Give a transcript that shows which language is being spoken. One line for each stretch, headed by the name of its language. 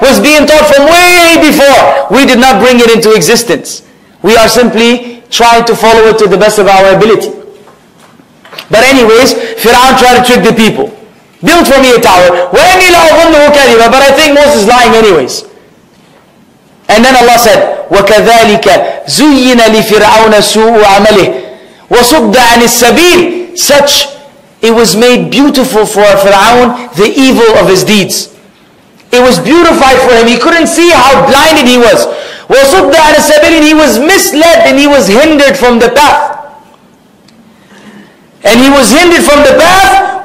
English: Was being taught from way before. We did not bring it into existence. We are simply trying to follow it to the best of our ability. But anyways, Fir'aun tried to trick the people. Build for me a tower.
Arabic: وَأَنِّي لَأَظُنُّهُ كَذِبًا.
English: But I think Moses is lying anyways. And then Allah said,
Arabic: وَكَذَلِكَ زُيِّنَ لِفِرْعَوْنَ سُوءُ عَمَلِهِ وَصُدَّ عَنِ السَّبِيلِ.
English: Such, it was made beautiful for Fir'aun, the evil of his deeds. It was beautified for him. He couldn't see how blinded he was.
Arabic: وَصُدَّ عَنِ السَّبِيلِ.
English: He was misled and he was hindered from the path. And he was hindered from the path.